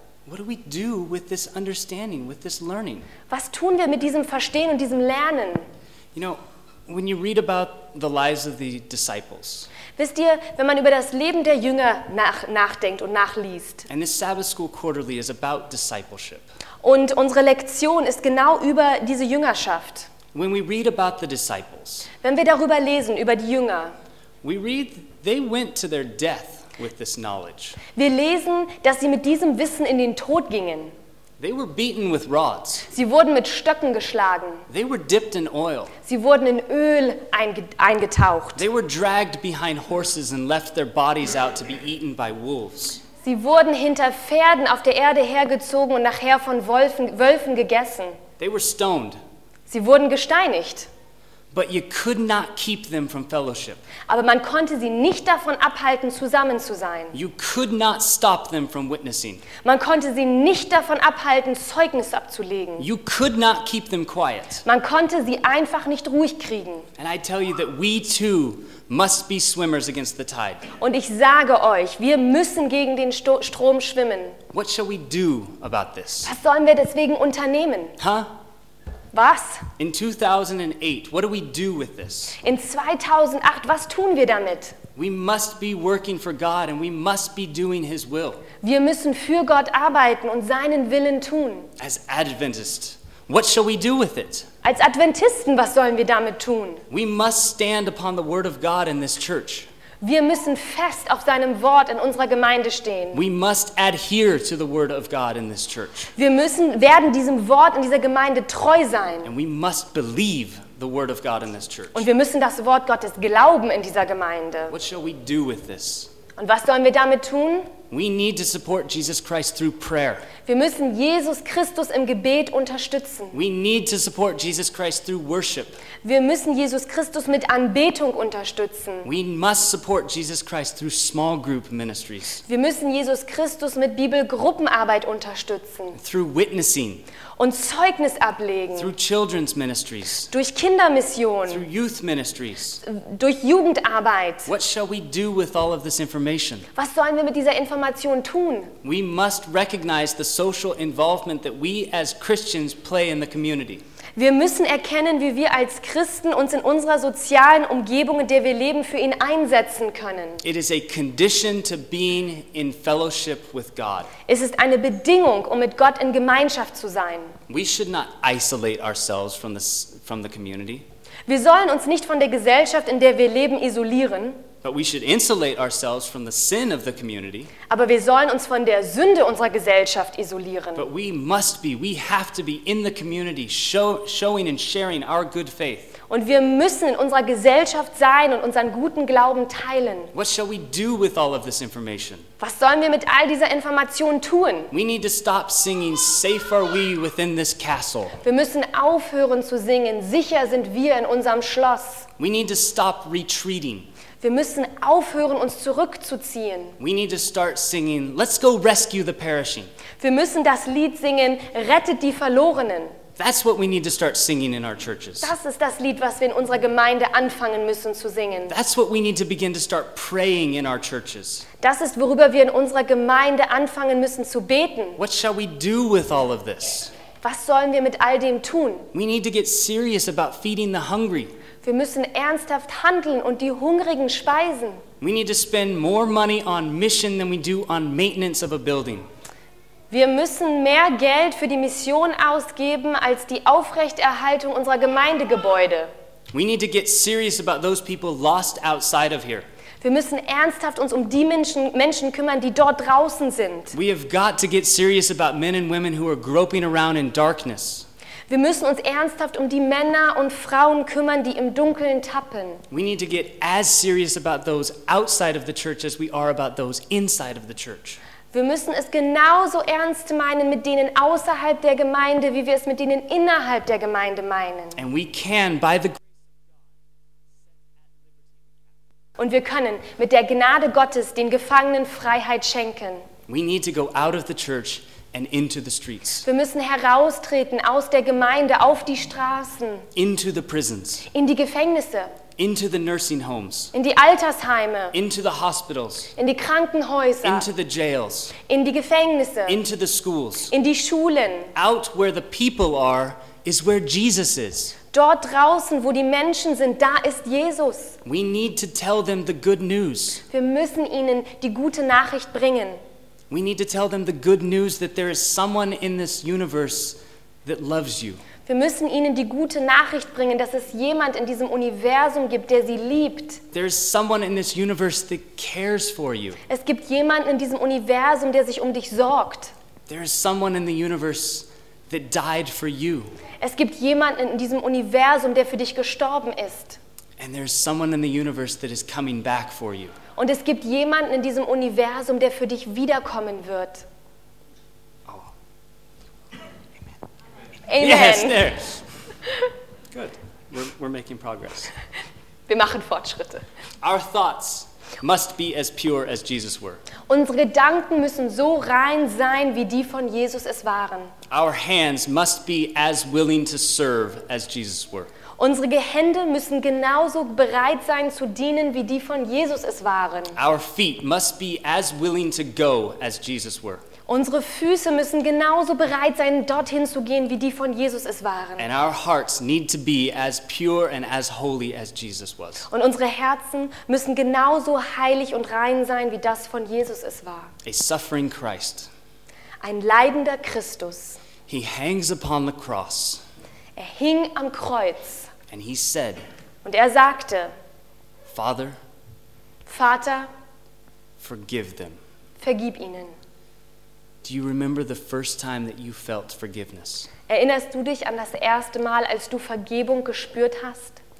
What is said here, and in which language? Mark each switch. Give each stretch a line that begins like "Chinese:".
English: What do we do with this understanding, with this learning?
German: Was tun wir mit diesem Verstehen und diesem Lernen?
English: You know, when you read about the lives of the disciples.
German: Wisst ihr, wenn man über das Leben der Jünger nachdenkt und nachliest.
English: And this Sabbath School Quarterly is about discipleship.
German: Und unsere Lektion ist genau über diese Jüngerschaft.
English: When we read about the disciples.
German: Wenn wir darüber lesen über die Jünger.
English: We read they went to their death. With this knowledge.
German: Wir lesen, dass sie mit diesem Wissen in den Tod gingen.
English: They were beaten with rods.
German: Sie wurden mit Stöcken geschlagen.
English: They were dipped in oil.
German: Sie wurden in Öl eingetaucht.
English: They were dragged behind horses and left their bodies out to be eaten by wolves.
German: Sie wurden hinter Pferden auf der Erde hergezogen und nachher von Wölfen gegessen.
English: They were stoned.
German: Sie wurden gesteinigt.
English: But you could not keep them from fellowship.
German: Aber man konnte sie nicht davon abhalten, zusammen zu sein.
English: You could not stop them from witnessing.
German: Man konnte sie nicht davon abhalten, Zeugnis abzulegen.
English: You could not keep them quiet.
German: Man konnte sie einfach nicht ruhig kriegen.
English: And I tell you that we too must be swimmers against the tide.
German: Und ich sage euch, wir müssen gegen den Strom schwimmen.
English: What shall we do about this?
German: Was sollen wir deswegen unternehmen?
English: Huh?
German: Was?
English: In 2008, what do we do with this?
German: In 2008, was tun wir damit?
English: We must be working for God and we must be doing his will.
German: Wir müssen für Gott arbeiten und seinen Willen tun.
English: As Adventists, what shall we do with it?
German: Als Adventisten, was sollen wir damit tun?
English: We must stand upon the word of God in this church.
German: Wir müssen fest auf seinem Wort in unserer Gemeinde stehen.
English: We must adhere to the word of God in this church.
German: Wir müssen werden diesem Wort in dieser Gemeinde treu sein.
English: And we must believe the word of God in this church.
German: Und wir müssen das Wort Gottes glauben in dieser Gemeinde.
English: What shall we do with this?
German: Und was sollen wir damit tun?
English: We need to support Jesus Christ through prayer.
German: Wir müssen Jesus Christus im Gebet unterstützen.
English: We need to support Jesus Christ through worship.
German: Wir müssen Jesus Christus mit Anbetung unterstützen.
English: We must support Jesus Christ through small group ministries.
German: Wir müssen Jesus Christus mit Bibelgruppenarbeit unterstützen.
English: Through witnessing.
German: Und Zeugnis ablegen.
English: Through children's ministries.
German: Durch Kindermission.
English: Through youth ministries.
German: Durch Jugendarbeit.
English: What shall we do with all of this information?
German: Was sollen wir mit dieser Information tun?
English: We must recognize the social involvement that we as Christians play in the community.
German: Wir müssen erkennen, wie wir als Christen uns in unserer sozialen Umgebung, in der wir leben, für ihn einsetzen können.
English: It is a condition to being in fellowship with God.
German: Es ist eine Bedingung, um mit Gott in Gemeinschaft zu sein.
English: We should not isolate ourselves from the community.
German: Wir sollen uns nicht von der Gesellschaft, in der wir leben, isolieren.
English: But we should insulate ourselves from the sin of the community.
German: Aber wir sollen uns von der Sünde unserer Gesellschaft isolieren.
English: But we must be, we have to be in the community, showing and sharing our good faith.
German: Und wir müssen in unserer Gesellschaft sein und unseren guten Glauben teilen.
English: What shall we do with all of this information?
German: Was sollen wir mit all dieser Information tun?
English: We need to stop singing, safe are we within this castle.
German: Wir müssen aufhören zu singen, sicher sind wir in unserem Schloss.
English: We need to stop retreating.
German: Wir müssen aufhören, uns zurückzuziehen.
English: We need to start singing, let's go rescue the perishing.
German: Wir müssen das Lied singen, rettet die Verlorenen.
English: That's what we need to start singing in our churches.
German: Das ist das Lied, was wir in unserer Gemeinde anfangen müssen zu singen.
English: That's what we need to begin to start praying in our churches.
German: Das ist, worüber wir in unserer Gemeinde anfangen müssen zu beten.
English: What shall we do with all of this?
German: Was sollen wir mit all dem tun?
English: We need to get serious about feeding the hungry.
German: Wir müssen ernsthaft handeln und die Hungrigen speisen.
English: We need to spend more money on mission than we do on maintenance of a building.
German: Wir müssen mehr Geld für die Mission ausgeben als die Aufrechterhaltung unserer Gemeindegebäude.
English: We need to get serious about those people lost outside of here.
German: Wir müssen ernsthaft uns um die Menschen kümmern, die dort draußen sind.
English: We have got to get serious about men and women who are groping around in darkness.
German: Wir müssen uns ernsthaft um die Männer und Frauen kümmern, die im Dunkeln tappen.
English: We need to get as serious about those outside of the church as we are about those inside of the church.
German: Wir müssen es genauso ernst meinen mit denen außerhalb der Gemeinde, wie wir es mit denen innerhalb der Gemeinde meinen.
English: And we can, by the grace of God, set at liberty.
German: Und wir können mit der Gnade Gottes den Gefangenen Freiheit schenken.
English: We need to go out of the church and into the streets.
German: Wir müssen heraustreten aus der Gemeinde auf die Straßen.
English: Into the prisons.
German: In die Gefängnisse.
English: Into the nursing homes.
German: In die Altersheime.
English: Into the hospitals.
German: In die Krankenhäuser.
English: Into the jails.
German: In die Gefängnisse.
English: Into the schools.
German: In die Schulen.
English: Out where the people are is where Jesus is.
German: Dort draußen, wo die Menschen sind, da ist Jesus.
English: We need to tell them the good news.
German: Wir müssen ihnen die gute Nachricht bringen.
English: We need to tell them the good news that there is someone in this universe that loves you.
German: Wir müssen ihnen die gute Nachricht bringen, dass es jemand in diesem Universum gibt, der sie liebt.
English: There's someone in this universe that cares for you.
German: Es gibt jemanden in diesem Universum, der sich um dich sorgt.
English: There's someone in the universe that died for you.
German: Es gibt jemanden in diesem Universum, der für dich gestorben ist.
English: And there's someone in the universe that is coming back for you.
German: Und es gibt jemanden in diesem Universum, der für dich wiederkommen wird.
English: Amen. Yes, there. Good. We're making progress.
German: Wir machen Fortschritte.
English: Our thoughts must be as pure as Jesus were.
German: Unsere Gedanken müssen so rein sein, wie die von Jesus es waren.
English: Our hands must be as willing to serve as Jesus were.
German: Unsere Hände müssen genauso bereit sein zu dienen, wie die von Jesus es waren.
English: Our feet must be as willing to go as Jesus were.
German: Unsere Füße müssen genauso bereit sein, dorthin zu gehen, wie die von Jesus es waren.
English: And our hearts need to be as pure and as holy as Jesus was.
German: Und unsere Herzen müssen genauso heilig und rein sein, wie das von Jesus es war.
English: A suffering Christ.
German: Ein leidender Christus.
English: He hangs upon the cross.
German: Er hing am Kreuz.
English: And he said.
German: Und er sagte.
English: Father.
German: Vater.
English: Forgive them.
German: Vergib ihnen.
English: Do you remember the first time that you felt forgiveness?
German: Erinnerst du dich an das erste Mal, als du Vergebung gespürt hast?